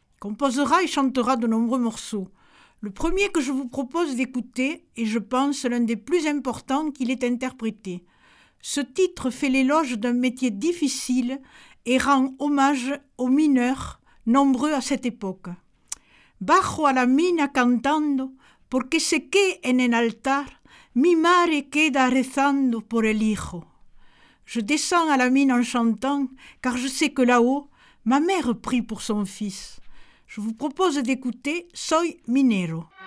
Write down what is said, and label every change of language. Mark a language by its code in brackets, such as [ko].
[fr] Il composera et chantera de nombreux morceaux. Le premier que je vous propose d'écouter est, je pense, l'un des plus importants qu'il ait interprété. Ce titre fait l'éloge d'un métier difficile et rend hommage aux mineurs, nombreux à cette époque. [es] Bajo a la mina cantando, porque se que en el altar, mi madre queda rezando por el hijo. [fr] Je descends à la mine en chantant, car je sais que là-haut, ma mère prie pour son fils. Je vous propose d'écouter Soy Minero.